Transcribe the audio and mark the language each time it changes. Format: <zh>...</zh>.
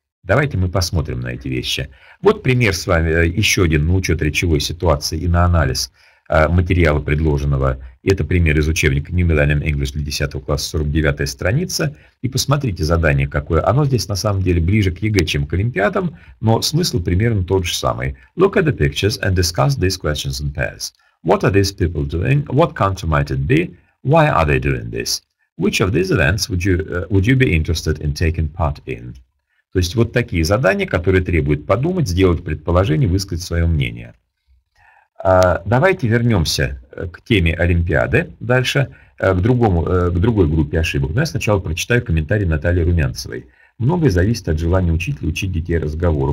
<ru>Давайте мы посмотрим на эти вещи. Вот пример с вами, еще один на учет речевой ситуации и на анализ материала предложенного. Это пример из учебника New Millennium English для 10 класса, 49 страница. И посмотрите задание какое. Оно здесь на самом деле ближе к ЕГЭ, чем к Олимпиадам, но смысл примерно тот же самый.</ru> <en>Look at the pictures and discuss these questions in pairs. What are these people doing? What country might it be? Why are they doing this? Which of these events would you be interested in taking part in?</en> <ru>То есть вот такие задания, которые требуют подумать, сделать предположение, высказать свое мнение. Давайте вернемся к теме Олимпиады дальше, к другой группе ошибок. Но я сначала прочитаю комментарий Натальи Румянцевой. Многое зависит от желания учителя учить детей разговору.</ru>